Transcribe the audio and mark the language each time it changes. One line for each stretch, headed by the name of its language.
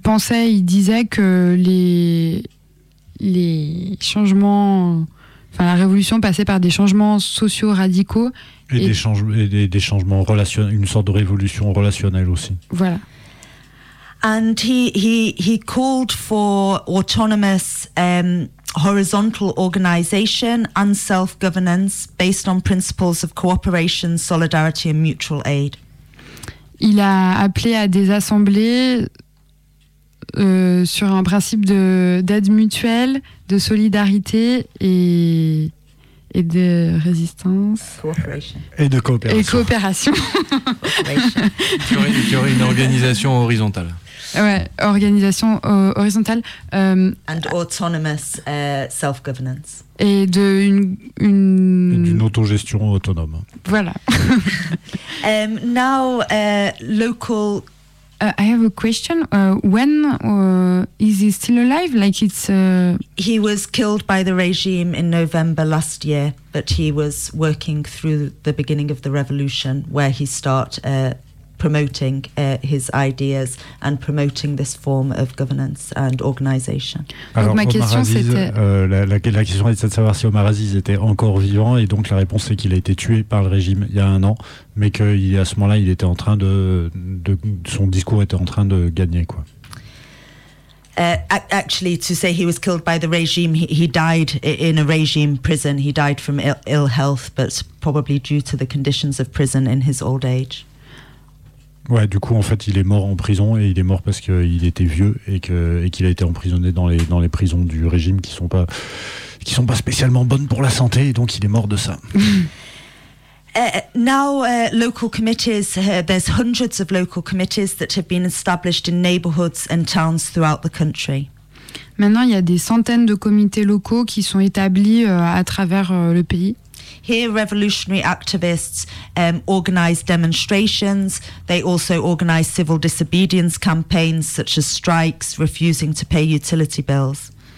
French: Il disait que les changements, enfin la révolution passait par des changements sociaux radicaux et des changements relationnels, une sorte de révolution relationnelle aussi. Voilà.
English: And he called for autonomous horizontal organization and self-governance based on principles of cooperation, solidarity and mutual aid.
French: Il a appelé à des assemblées sur un principe d'aide mutuelle, de solidarité et de résistance.
English: Cooperation.
French: Et de coopération. Et coopération. Il y aurait une organisation horizontale. Ouais, organisation horizontale.
English: And autonomous self-governance.
French: Et de d'une autogestion autonome. Voilà.
English: Now, local. I have a question. When is he still alive? Like it's. He was killed by the regime in November last year, but he was working through the beginning of the revolution, where he promoting his ideas and promoting this form of governance and organization.
French: Alors, donc ma question Aziz, c'était la question était de savoir si Omar Aziz était encore vivant, et donc la réponse c'est qu'il a été tué par le régime il y a un an, mais que à ce moment-là il était en train son discours était en train de gagner quoi.
English: Actually, to say he was killed by the regime, he died in a regime prison. He died from ill health, but probably due to the conditions of prison in his old age.
French: Ouais, du coup, en fait, il est mort en prison et il est mort parce qu'il était vieux et qu'il a été emprisonné dans les prisons du régime qui sont pas spécialement bonnes pour la santé, et donc il est mort de ça.
English: Now, local committees, there's hundreds of local committees that have been established in neighborhoods and towns throughout the country.
French: Maintenant, il y a des centaines de comités locaux qui sont établis à travers le pays.
English: Here, revolutionary activists organize demonstrations. They also organize civil disobedience campaigns, such as strikes, refusing to pay utility bills.